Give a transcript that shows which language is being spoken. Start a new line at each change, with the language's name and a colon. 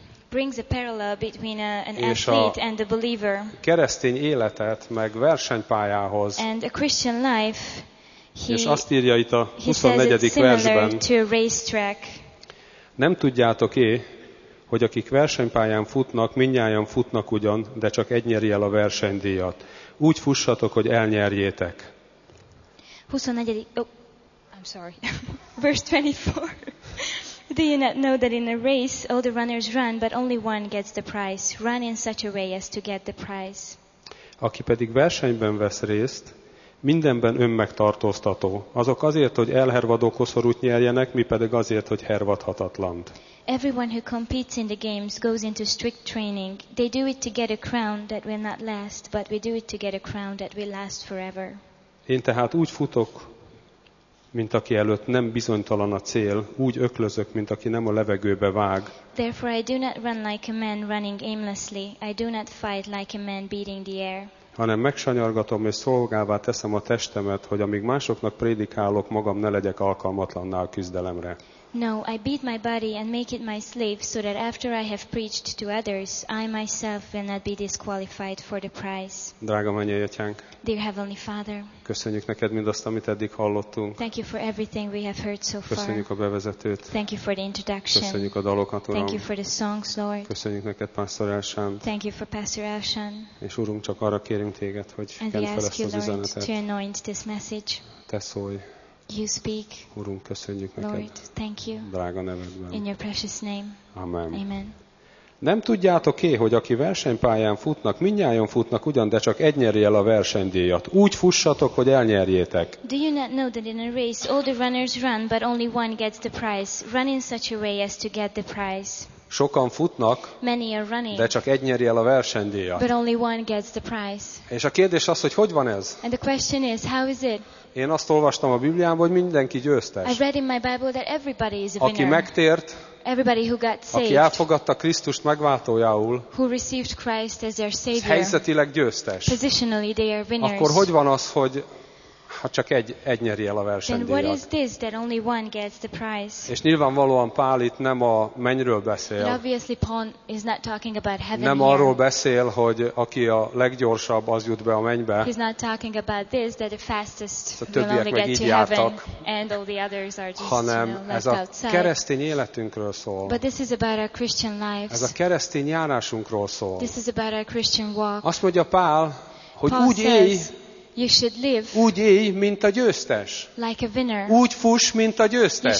English: Brings a parallel between an athlete and a believer.
Hungarian: Keresztény életet meg versenypályához.
English: And a Christian life.
Hungarian: És azt írja itt a 24. versben.
English: To a racetrack.
Hungarian: Nem tudjátok hogy akik versenypályán futnak, mindnyájan futnak ugyan, de csak egy nyeri el a versenydíjat. Úgy fussatok, hogy elnyerjétek. 24.
English: Do you not know that in a race all the runners run, but only one gets the prize? Run in such a way as to get the prize.
Hungarian: Aki pedig versenyben vesz részt, mindenben önmegtartóztató. Azok azért, hogy elhervadó koszorút nyerjenek, mi pedig azért, hogy hervadhatatlant.
English: Everyone who competes in the games goes into strict training. They do it to get a crown that will not last, but we do it to get a crown that will last forever.
Hungarian: Én tehát úgy futok, mint aki előtt nem bizonytalan a cél, úgy öklözök, mint aki nem a levegőbe vág.
English: Therefore I do not run like a man running aimlessly. I do not fight like a man beating the air.
Hungarian: Hanem megsanyargatom és szolgává teszem a testemet, hogy amíg másoknak prédikálok, magam ne legyek alkalmatlanná a küzdelemre.
English: No, I beat my body and make it my slave so that after I have preached to others, I myself will not be disqualified for the prize.
Hungarian: Drága mennyei atyánk.
English: Dear Heavenly Father.
Hungarian: Köszönjük neked mindazt, amit eddig hallottunk.
English: Thank you for everything we have heard so far.
Hungarian: Köszönjük a bevezetőt.
English: Thank you for the introduction.
Hungarian: Köszönjük a dalokat, Uram.
English: Thank you for the songs, Lord.
Hungarian: Köszönjük neked, Pastor Elshan.
English: Thank you for Pastor Elshan.
Hungarian: És Urunk, csak arra kérünk téged, hogy kent fel ezt az üzenetet.
English: And we ask you, Lord, to anoint this message.
Hungarian: Te szólj.
English: You speak.
Hungarian: Urunk, köszönjük
English: Lord,
Hungarian: neked.
English: Thank you.
Hungarian: Drága nevedben.
English: In your precious name.
Hungarian: Amen.
English: Amen.
Hungarian: Nem tudjátok-e, hogy aki versenypályán futnak, mindnyájan futnak ugyan, de csak egy nyeri el a versenydíjat. Úgy fussatok, hogy elnyerjétek.
English: Do you not know that in a race all the runners run, but only one gets the prize? Run in such a way as to get the prize.
Hungarian: Sokan futnak,
English: many are running,
Hungarian: de csak egy nyeri el a versenydíjat.
English: But only one gets the prize.
Hungarian: És a kérdés az, hogy van ez?
English: And the question is, how is it?
Hungarian: Én azt olvastam a Bibliában, hogy mindenki győztes.
English: I read in my Bible that everybody is a winner.
Hungarian: Aki megtért,
English: everybody who got saved,
Hungarian: aki elfogadta Krisztust megváltójául,
English: who received Christ as their savior,
Hungarian: helyzetileg győztes.
English: Positionally they are winners.
Hungarian: Akkor hogy van az, hogy ha csak egy nyeri el a versenydíjat?
English: Then what is this that only one gets the prize?
Hungarian: És nyilvánvalóan Pál itt nem a mennyről beszél.
English: But obviously Paul is not talking about heaven.
Hungarian: Nem arról beszél, hogy aki a leggyorsabb az jut be a mennybe.
English: He's not talking about this that the fastest will only get to heaven.
Hungarian: Jártak,
English: and all the others are just,
Hungarian: hanem
English: you know, left
Hungarian: ez a
English: outside.
Hungarian: Keresztény életünkről szól.
English: But this is about our Christian lives.
Hungarian: Ez a keresztény járásunkról szól.
English: This is about our Christian walk.
Hungarian: Azt mondja Pál, hogy
English: Paul
Hungarian: úgy élj.
English: You should live.
Hungarian: Úgy élj, mint a győztes.
English: Like a winner.
Hungarian: Úgy fuss, mint a győztes.